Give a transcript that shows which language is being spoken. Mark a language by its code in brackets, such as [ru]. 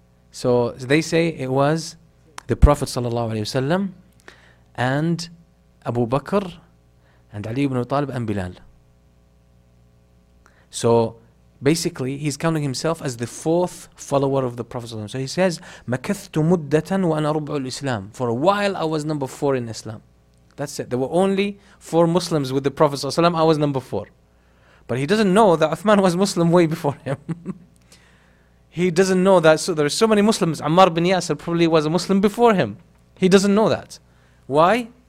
[en] So they say it was the Prophet ﷺ and Abu Bakr and Ali ibn Talib and Bilal. So basically, he's counting himself as the fourth follower of the Prophet ﷺ. So he says, [ar] مَكَثْتُ مُدَّةً وَأَنَا رُبْعُ الْإِسْلَامِ. [en] For a while, I was number four in Islam. That's it. There were only four Muslims with the Prophet ﷺ. I was number four. But he doesn't know that Uthman was Muslim way before him. He doesn't know that. So there are so many Muslims. Ammar bin Yasir probably was a Muslim before him. He doesn't know that. Why?